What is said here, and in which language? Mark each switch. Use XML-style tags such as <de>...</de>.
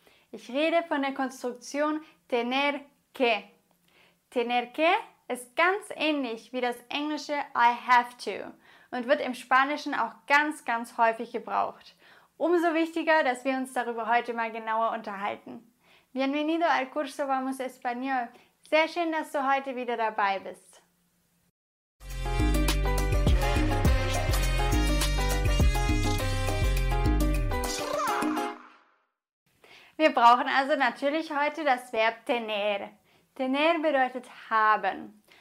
<de>Ich rede von der Konstruktion tener que. Tener que ist ganz ähnlich wie das englische</de> <en>I have to</en> <de>und wird im Spanischen auch ganz, ganz häufig gebraucht. Umso wichtiger, dass wir uns darüber heute mal genauer unterhalten.</de> <es>Bienvenido al curso Vamos Español.</es> <de>Sehr schön, dass du heute wieder dabei bist. Wir brauchen also natürlich heute das Verb tener. Tener bedeutet haben.</de>